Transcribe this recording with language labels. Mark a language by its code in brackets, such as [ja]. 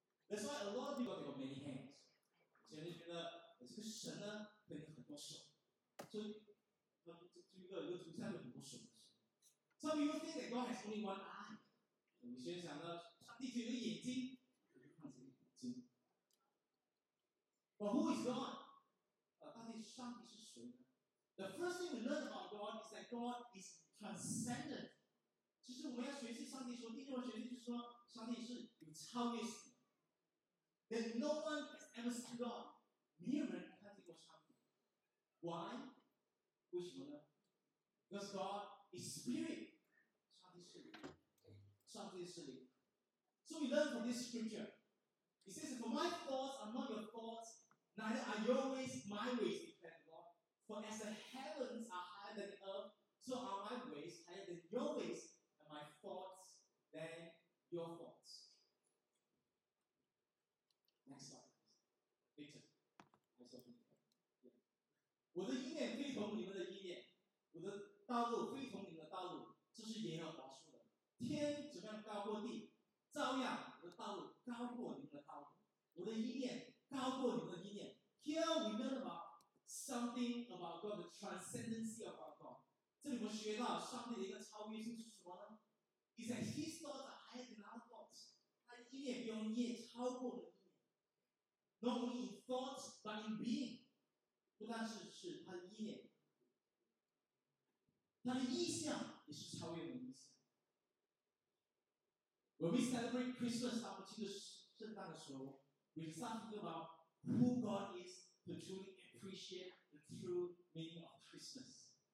[en] That's why a lot of people have many hands. [zh] 所以你觉得这个神呢可以有很多手，所以他们这个有图像有很多手的神。 [en] Some people think that God has only one eye. [zh] 有些人想到上帝只有眼睛，可以看这个眼睛。 [en] But who is God? [zh] 到底上帝是谁呢？ [en] The first thing we learn about God is that God is transcendent. [zh] 其实我们要学习上帝说，第一种学习就是说上帝是有超越性的。 [en] That no one has ever seen God. [zh] 没有人看见过上帝。 [en] Why? [zh] 为什么呢？ [en] Because God is spirit. [zh] 上帝是灵。上帝是灵。 [en] So we learn from this scripture. It says, For my thoughts are not your thoughts,Neither are your ways my ways, declare the Lord. For as the heavens are higher than the earth, so are my ways higher than your ways, and my thoughts than your thoughts. Next slide. Victor. I saw him. Yeah. [zh] 我的意念非同你们的意念，我的道路非同你们的道路，这是耶和华说的。天怎么样高过地，照样我的道路高过你们的道路。我的意念高过你们的意念。 [en] Here we learn about something about God, the transcendency of our God. [zh] 这里我们学到上帝的一个超越性是什么呢？ [en] Is that His thoughts are higher than our thoughts. [zh] 他意念比我们意念超过了意念。 [en] Not only in thoughts, but in being. [zh] 不单是他的意念。他的意象也是超越我们的意象。 [en] When we celebrate Christmas, [zh] 当我们庆祝圣诞的时候， [en] We start thinking about who God is to truly appreciate the true meaning of Christmas.